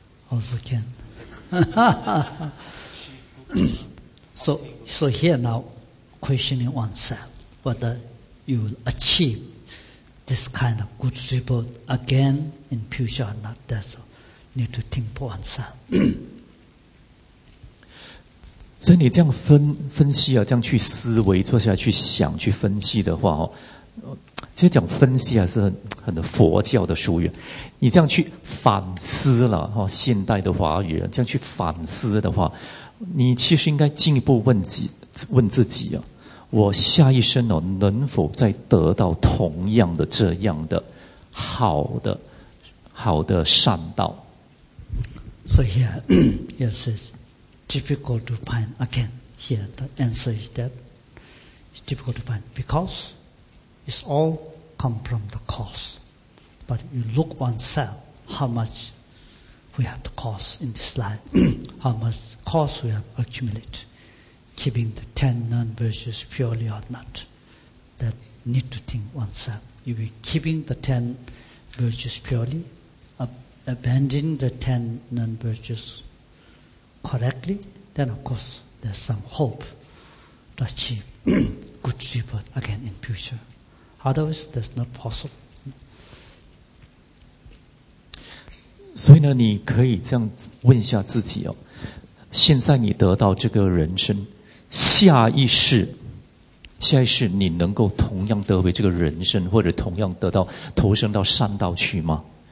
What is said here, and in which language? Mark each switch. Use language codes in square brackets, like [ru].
[en] Also can. So here now,questioning oneself whether you will achieve this kind of good rebirth again in future or not. That's all. Need to think for oneself. [zh] 所以你这样分析啊，这样去思维，坐下来去想，去分析的话哦，其实讲分析还是很佛教的疏远。你这样去反思了，现代的华语这样去反思的话，你其实应该进一步问自己啊，我下一生能否再得到同样的这样的好的善道。 [en] So here, yes, it's difficult to find. Again, here the answer is that it's difficult to find because it's all come from the cause. But you look oneself, how much we have to cause in this life, how much cause we have accumulated, keeping the 10 non-virtues purely or not, that need to think oneself. If you're keeping the 10 virtues purely,abandoning the 10 non-virtues correctly, then of course there's some hope to achieve good rebirth again in future. Otherwise, that's not possible. [zh] 所以呢，你可以这样问一下自己哦：现在你得到这个人生，下一世你能够同样得回这个人生，或者同样得到投生到善道去吗？